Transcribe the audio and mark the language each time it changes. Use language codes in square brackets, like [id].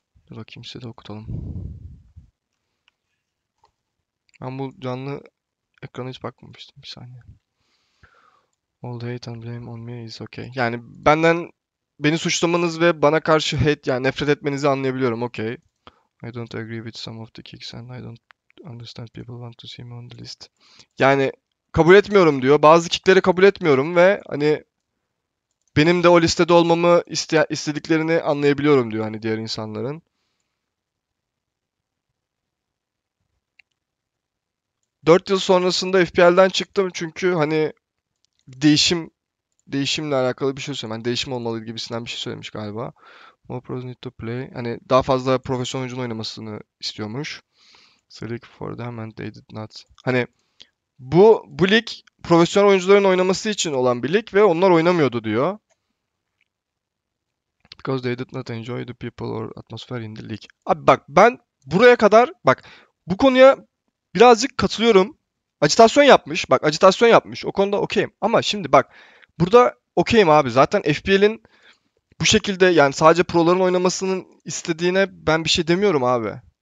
[tr] Dur bakayım, size de okutalım. Ben bu canlı ekrana hiç bakmamıştım. Bir saniye. [en] All the hate and blame on me is okay. [tr] Yani benden, beni suçlamanız ve bana karşı hate, yani nefret etmenizi anlayabiliyorum. [en] Okay. I don't agree with some of the kicks and I don't understand people want to see me on the list. [tr] Yani kabul etmiyorum diyor. Bazı kickleri kabul etmiyorum ve hani benim de o listede olmamı istediklerini anlayabiliyorum diyor hani diğer insanların. Dört yıl sonrasında FPL'den çıktım çünkü hani değişimle alakalı bir şey söylemiş. Yani değişim olmalı gibisinden bir şey söylemiş galiba. [en] More pros need to play. [tr] Hani daha fazla profesyonel oyuncunun oynamasını istiyormuş. [en] Select for them and they did not. [tr] Hani bu lig profesyonel oyuncuların oynaması için olan bir lig ve onlar oynamıyordu diyor. [en] Because they did not enjoy the people or atmosphere in the league. [tr] Abi bak, ben buraya kadar, bak bu konuya birazcık katılıyorum. Ajitasyon yapmış. Bak ajitasyon yapmış. O konuda okeyim. Ama şimdi bak, burada okeyim abi. Zaten FPL'in bu şekilde, yani sadece proların oynamasının istediğine ben bir şey demiyorum abi.